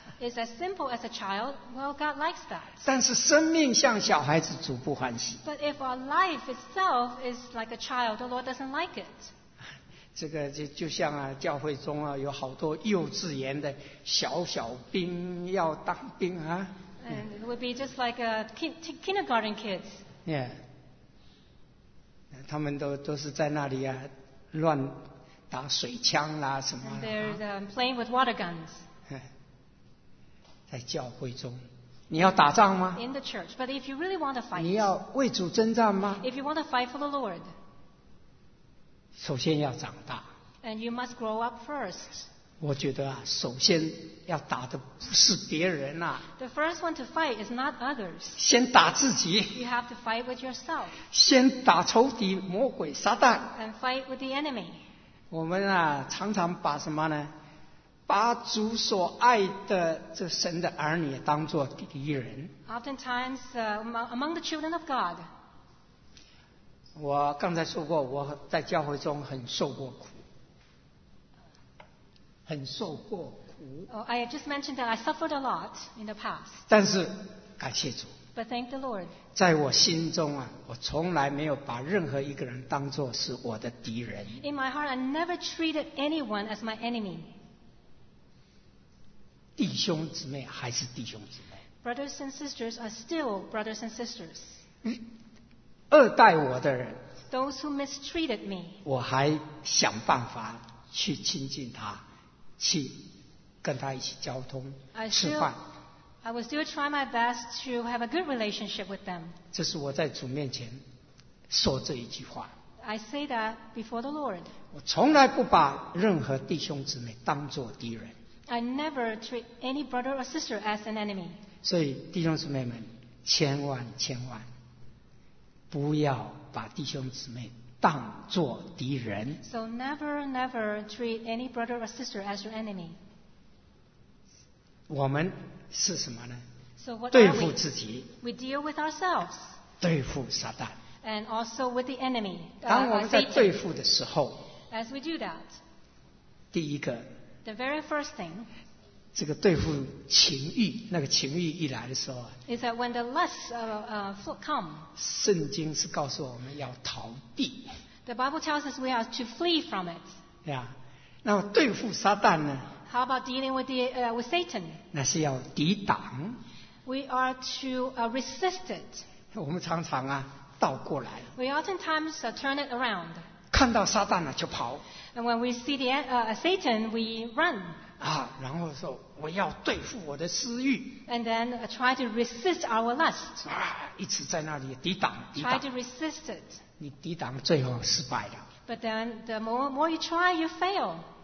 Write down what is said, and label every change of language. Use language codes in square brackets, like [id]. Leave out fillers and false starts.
[en] Is as simple as a child, well, God likes that. [zh] 但是生命像小孩子，主不欢喜。 [en] But if our life itself is like a child, the Lord doesn't like it. [zh] 这个就像啊，教会中啊，有好多幼稚园的小小兵要当兵啊。 [en] And it would be just like a kindergarten kids. Yeah. [zh] 他们都是在那里啊，乱打水枪啦什么。 [en] They're playing with water guns. [zh] 在教会中，你要打仗吗？ [en] In the church, but if you really want to fight, [zh] 你要为主征战吗？ [en] If you want to fight for the Lord, [zh] 首先要长大。 [en] And you must grow up first. [zh] 我觉得啊，首先要打的不是别人啊。 [en] The first one to fight is not others. [zh] 先打自己。 [en] You have to fight with yourself. [zh] 先打仇敌魔鬼撒旦。 [en] And fight with the enemy. [zh] 我们啊，常常把什么呢？把主所爱的这神的儿女当作敌人。 [en] Oftentimes, among the children of God. [zh] 我刚才说过，我在教会中很受过苦，很受过苦。 [en] Oh, I just mentioned that I suffered a lot in the past. [zh] 但是感谢主。 [en] But thank the Lord. [zh] 在我心中啊，我从来没有把任何一个人当作是我的敌人。 [en] In my heart, I never treated anyone as my enemy. [zh] 弟兄姊妹还是弟兄姊妹。 [en] Brothers and sisters are still brothers and sisters. [zh] 恶待我的人。 [en] Those who mistreated me. [zh] 我还想办法去亲近他，去跟他一起交通、吃饭。 [en] I will still try my best to have a good relationship with them. [zh] 这是我在主面前说这一句话。 [en] I say that before the Lord. [zh] 我从来不把任何弟兄姊妹当作敌人。 [en] I never treat any brother or sister as an enemy. [zh] 所以弟兄姊妹们，千万千万不要把弟兄姊妹当作敌人。 [en] So never, never treat any brother or sister as your enemy. [zh] 我们是什么呢？ [en] So what [zh] 对付自己。 [en] We deal with ourselves. [zh] 对付撒旦。 [en] And also with the enemy. [zh] 当我们在对付的时候， [en] As we do that, [zh] 第一个 [en] The very first thing, [zh] 这个对付情欲，那个情欲一来的时候， [en] is that when the lust come, [zh] 圣经是告诉我们要逃避。 [en] The Bible tells us we are to flee from it. [zh] Yeah. 那么对付撒旦呢？ [en] How about dealing with with Satan? [zh] 那是要抵挡。 [en] We are to resist it. [zh] 我们常常啊，倒过来。 [en] We oftentimes turn it around. [zh] 看到撒旦了就跑。 [en] And when we see the Satan, we run. [zh] 啊，然后说我要对付我的私欲。 [en] And then try to resist our lust. [zh] 啊，一直在那里抵挡。 [en] Try to resist it. [zh] 你抵挡最后失败了。 [en] But then the more you try, you fail.